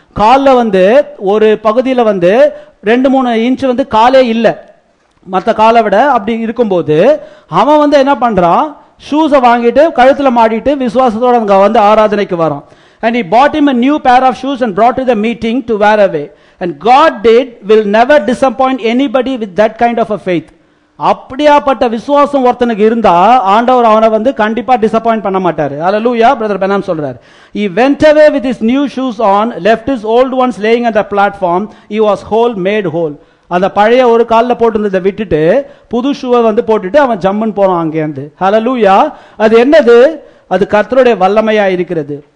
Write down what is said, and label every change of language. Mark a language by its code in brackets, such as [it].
[ta] காலில் வந்து ஒரு பகுதியில் வந்து 2-3 inch வந்து காலே இல்லை மற்ற காலை விட அப்படி இருக்கும்போது அவன் வந்து என்ன பண்ணுறான் ஷூஸை வாங்கிட்டு கழுத்தில் மாடிட்டு விசுவாசத்தோடு அங்கே வந்து ஆராதனைக்கு வரான் [en] And he bought him a new pair of shoes and brought to the meeting to wear away. And God did, will never disappoint anybody with that kind of a faith. [ta] அப்படியாப்பட்ட விசுவாசம் ஒருத்தனுக்கு இருந்தா ஆண்டவர் அவனை வந்து கண்டிப்பா டிசப்பாயிண்ட் பண்ண மாட்டாரு ஹல்லேலூயா பிரதர் பெனாம் சொல்றாரு [en] he went away with his new shoes on left his old ones laying on the platform he was whole made whole [ta] அந்த பழைய ஒரு காலில் போட்டிருந்ததை விட்டுட்டு புது ஷூவை வந்து போட்டுட்டு அவன் ஜம்முன்னு போறான் அங்கேருந்து ஹல்லேலூயா அது என்னது அது கர்த்தருடைய வல்லமையா இருக்கிறது